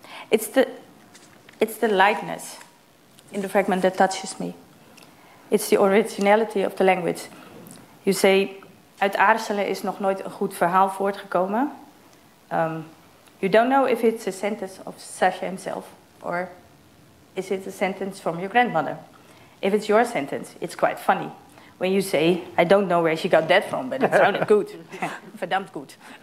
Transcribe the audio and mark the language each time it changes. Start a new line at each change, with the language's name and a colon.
English: It's the lightness in the fragment that touches me. It's the originality of the language. You say,
Dutch: uit aarzelen is nog nooit een goed verhaal voortgekomen.
English: You don't know if it's a sentence of Sasha himself, or is it a sentence from your grandmother? If it's your sentence, it's quite funny. When you say, I don't know where she got that from, but it sounded good. Verdammt good.